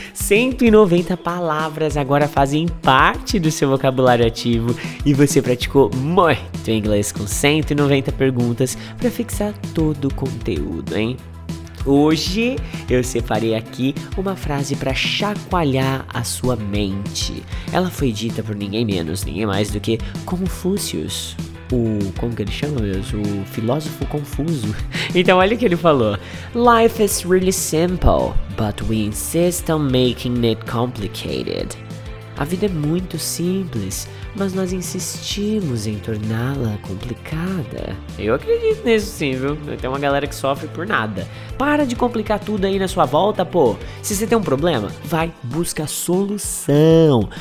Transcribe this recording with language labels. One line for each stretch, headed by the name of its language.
Portuguese: 190 palavras agora fazem parte do seu vocabulário ativo e você praticou muito inglês com 190 perguntas para fixar todo o conteúdo, hein? Hoje eu separei aqui uma frase para chacoalhar a sua mente. Ela foi dita por ninguém menos, ninguém mais do que Confúcio. o... como que ele chama mesmo? O filósofo confuso. Então olha o que ele falou.
English: Life is really simple, but we insist on making it complicated.
Portuguese: A vida é muito simples, mas nós insistimos em torná-la complicada. Eu acredito nisso sim, viu? Tem uma galera que sofre por nada. Para de complicar tudo aí na sua volta, pô. Se você tem um problema, vai, busca a solução.